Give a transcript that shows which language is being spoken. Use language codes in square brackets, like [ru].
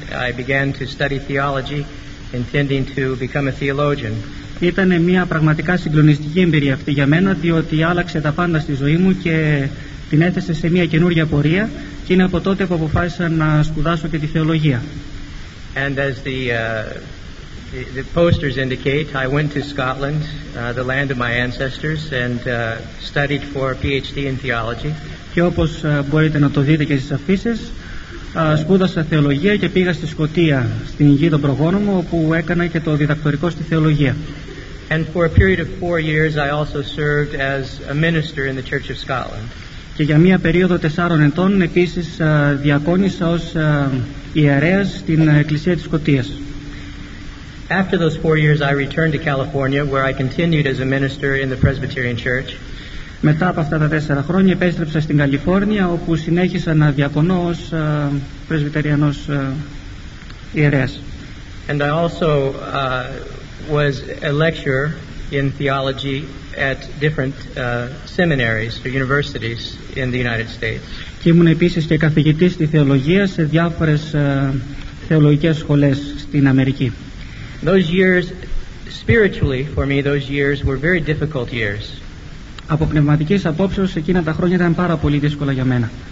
[en] I began to study theology, intending to become a theologian. [el] Ήταν μια πραγματικά συγκλονιστική εμπειρία αυτή για μένα, διότι άλλαξε τα πάντα στη ζωή μου και την έθεσε σε μια καινούργια πορεία, και είναι από τότε που αποφάσισα να σπουδάσω και τη θεολογία. [en] And as the posters indicate, I went to Scotland, the land of my ancestors, and studied for a PhD in theology. [el] Και όπως μπορείτε να το δείτε και στις αφίσες, σπούδασα θεολογία και πήγα στη Σκωτία, στην γη των προγόνων μου, όπου έκανα και το διδακτορικό στη θεολογία. [en] And for a period of 4 years, I also served as a minister in the Church of Scotland. [el] Και για μία περίοδο 4 ετών, επίσης διακόνησα ως ιερέας στην Εκκλησία της Σκωτίας. [en] After those 4 years, I returned to California, where I continued as a minister in the Presbyterian Church. [el] Μετά από αυτά τα 4 χρόνια, επέστρεψα στην Καλιφόρνια, όπου συνέχισα να διακονώ ως πρεσβυτεριανός ιερέας. [en] And I also was a lecturer in theology at different seminaries or universities in the United States. [el] Και ήμουν επίσης και καθηγητής στη θεολογία σε διάφορες θεολογικές σχολές στην Αμερική. [en] Those years, spiritually for me, those years were very difficult years. [el] Από πνευματικής απόψεως, εκείνα τα χρόνια ήταν πάρα πολύ δύσκολα για μένα.